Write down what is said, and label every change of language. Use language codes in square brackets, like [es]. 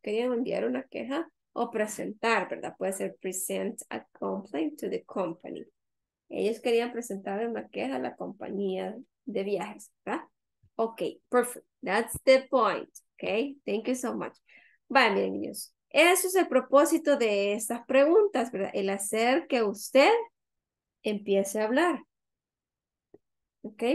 [es] Ellos querían enviar una queja o presentar, ¿verdad? Puede ser [en] present a complaint to the company. [es] Ellos querían presentar una queja a la compañía de viajes, ¿verdad? [en] Okay, perfect. That's the point. Okay, thank you so much. Bye, [es] miren, niños. Eso es el propósito de estas preguntas, ¿verdad? El hacer que usted empiece a hablar. ¿Ok?